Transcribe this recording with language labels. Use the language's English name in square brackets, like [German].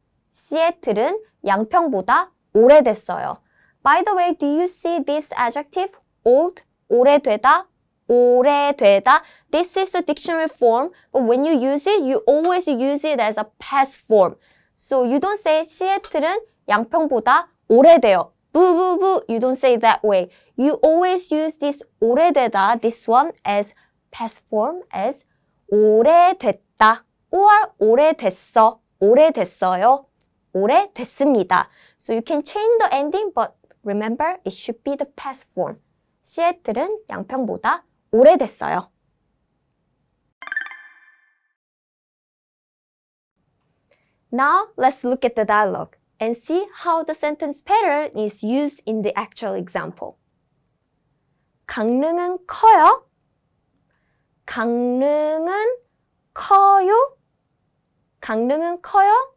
[Korean] 시애틀은 양평보다 오래됐어요. [English] By the way, do you see this adjective? [Korean] Old, 오래되다, 오래되다. [English] This is the dictionary form, but when you use it, you always use it as a past form. So you don't say [Korean] 시애틀은 양평보다 오래돼요. [English] Boo, boo, boo. You don't say that way. You always use this 오래되다, this one, as past form, as 오래됐다 or [Korean] 오래됐어, 오래됐어요, 오래됐습니다. [English] So you can change the ending, but remember, it should be the past form. [Korean] 시애틀은 양평보다 오래됐어요. 됐어요. [English] Now, let's look at the dialogue and see how the sentence pattern is used in the actual example. [Korean] 강릉은 커요? 강릉은 커요? 강릉은 커요?